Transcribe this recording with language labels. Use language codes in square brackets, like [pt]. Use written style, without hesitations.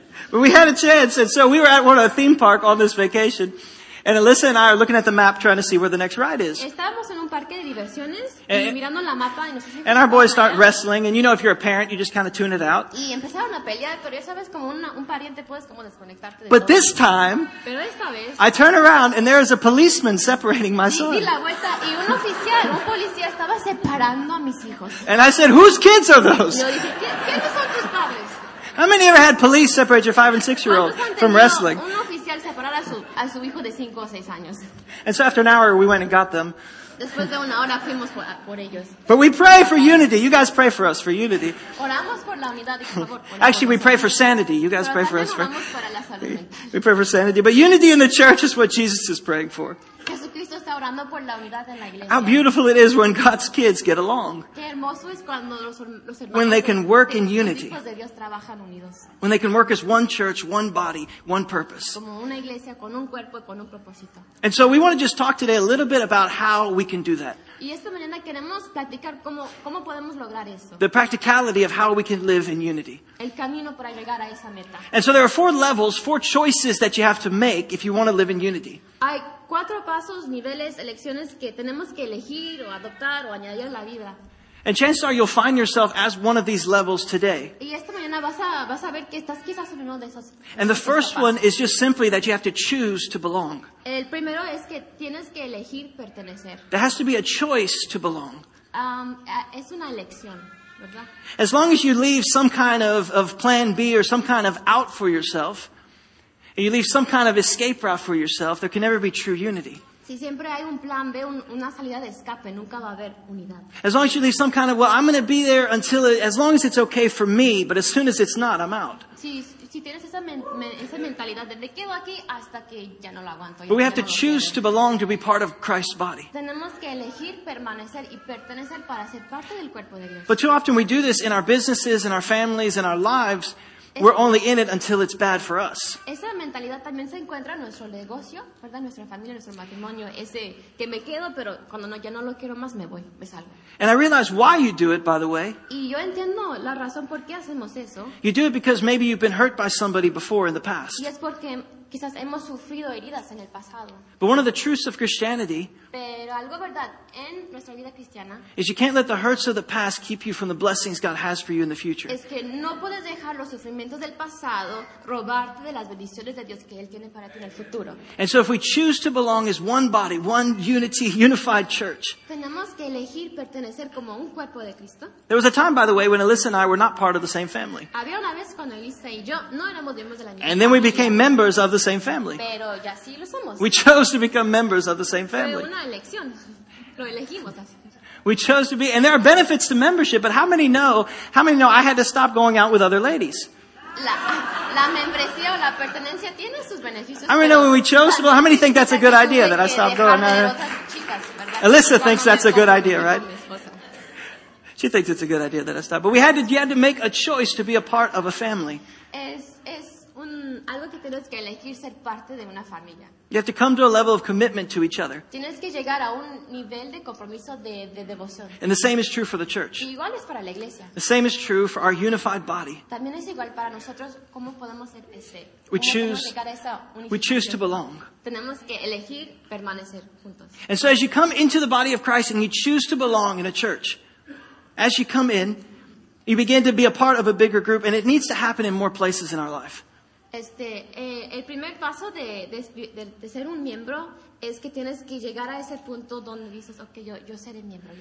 [en] We had a chance. And so we were at one of the theme park on this vacation. And Alyssa and I are looking at the map trying to see where the next ride is. [es] Estábamos en un parque de diversiones y mirando la mapa y nos dijimos, [en] and our boys start wrestling, and you know if you're a parent, you just kind of tune it out. [es] Y empezaron a pelear, pero ya sabes, como un pariente puedes como desconectarte de [en] But this time, [es] pero esta vez, [en] I turn around and there is a policeman separating my son. [es] Y di la vuelta y un oficial, un policía estaba separando a mis hijos. [en] And I said, "Whose kids are those?" [es] Yo dije, "¿Quiénes son tus padres?" [en] How many ever had police separate your 5 and 6 year old from wrestling? [es] Un oficial separar a su hijo de 5 o 6 años. [en] And so after an hour, we went and got them. [es] Después de una hora fuimos por ellos. [en] But we pray for unity. You guys pray for us for unity. [es] Oramos por la unidad, por favor, por [en] Actually, we pray for sanity. You guys pray for us for. [es] Para la salud mental. [en] We pray for sanity. But unity in the church is what Jesus is praying for. [es] Jesucristo está orando por la unidad en la iglesia. [en] How beautiful it is when God's kids get along. [es] Qué hermoso es cuando los hermanos [en] when they can work in unity. [es] Los hijos de Dios trabajan unidos. [en] When they can work as one church, one body, one purpose. [es] Como una iglesia con un cuerpo y con un propósito. [en] And so we want to just talk today a little bit about how we can do that. [es] Y esta mañana queremos platicar cómo podemos lograr eso. [en] The practicality of how we can live in unity. [es] El camino para llegar a esa meta. [en] And so there are 4 levels, 4 choices that you have to make if you want to live in unity. [es] Hay 4 pasos, niveles, elecciones que tenemos que elegir o adoptar o añadir a la vida. [en] And chances are you'll find yourself as one of these levels today. [es] Y esta mañana vas a ver que estás quizás en uno de esos. [en] And the first one is just simply that you have to choose to belong. [es] El primero es que tienes que elegir pertenecer. [en] There has to be a choice to belong. [es] Es una elección. ¿Verdad? [en] As long as you leave some kind of plan B or some kind of out for yourself, and you leave some kind of escape route for yourself, there can never be true unity. [es] Si siempre hay un plan B, una salida de escape, nunca va a haber unidad. [en] As long as you leave some kind of, well, I'm going to be there until, as long as it's okay for me, but as soon as it's not, I'm out. [es] Si tienes esa mentalidad de me quedo aquí hasta que ya no lo aguanto. [en] But we have to choose to belong to be part of Christ's body. [es] Tenemos que elegir permanecer y pertenecer para ser parte del cuerpo de Dios. [en] But too often we do this in our businesses, in our families, in our lives. We're only in it until it's bad for us. [es] Esa mentalidad también se encuentra en nuestro negocio, ¿verdad? Nuestra familia, nuestro matrimonio. Ese que me quedo, pero cuando no, ya no lo quiero más, me voy, me salgo. [en] And I realize why you do it, by the way. [es] Y yo entiendo la razón por qué hacemos eso. [en] You do it because maybe you've been hurt by somebody before in the past. [es] Y es porque quizás hemos sufrido heridas en el pasado. [en] But one of the truths of Christianity, [es] pero algo verdad en nuestra vida cristiana, [en] is you can't let the hurts of the past keep you from the blessings God has for you in the future. [es] Es que no puedes dejar los sufrimientos del pasado robarte de las bendiciones de Dios que Él tiene para ti en el futuro. [en] And so if we choose to belong as one body, one unity, unified church, [es] tenemos que elegir pertenecer como un cuerpo de Cristo. [en] There was a time, by the way, when Alyssa and I were not part of the same family. [es] Había una vez cuando Alyssa y yo no éramos miembros de la misma. [en] And then we became members of the same family. [es] Pero ya sí lo somos. [en] We chose to become members of the same family. [es] Fue una elección. Lo elegimos así. [en] We chose to be, and there are benefits to membership, but how many know I had to stop going out with other ladies? [es] La membresía o la pertenencia tiene sus beneficios. [en] I mean, no, when we chose to, well, how many think that's a good idea that I stopped going out? Alyssa thinks that's a good idea, right? She thinks it's a good idea that I stopped. But you had to make a choice to be a part of a family. [es] Algo que tienes que elegir ser parte de una familia. [en] You have to come to a level of commitment to each other. [es] Tienes que llegar a un nivel de compromiso de devoción. [en] And the same is true for the church. [es] Y igual es para la iglesia. [en] The same is true for our unified body. [es] También es igual para nosotros cómo podemos ser ese. [en] We choose to belong. [es] Tenemos que elegir permanecer juntos. [en] And so as you come into the body of Christ and you choose to belong in a church, as you come in, you begin to be a part of a bigger group, and it needs to happen in more places in our life. [es] El primer paso de ser un miembro es que tienes que llegar a ese punto donde dices, okay, yo seré miembro.